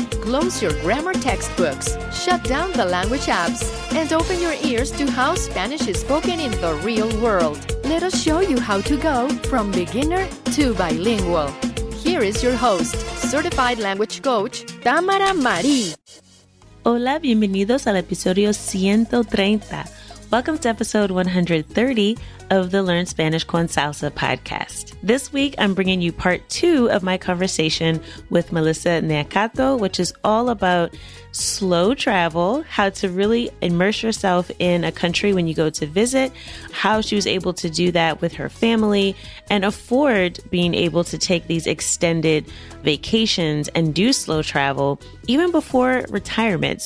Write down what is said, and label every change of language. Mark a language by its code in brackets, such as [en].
[en] Close your grammar textbooks, shut down the language apps, and open your ears to how Spanish is spoken in the real world. Let us show you how to go from beginner to bilingual. Here is your host, certified language coach, Tamara Marie. [es] Hola, bienvenidos al episodio 130. [en] Welcome to episode 130 of the Learn Spanish con Salsa podcast. This week, I'm bringing you part two of my conversation with Melissa Neacato, which is all about slow travel, how to really immerse yourself in a country when you go to visit, how she was able to do that with her family, and afford being able to take these extended vacations and do slow travel even before retirement.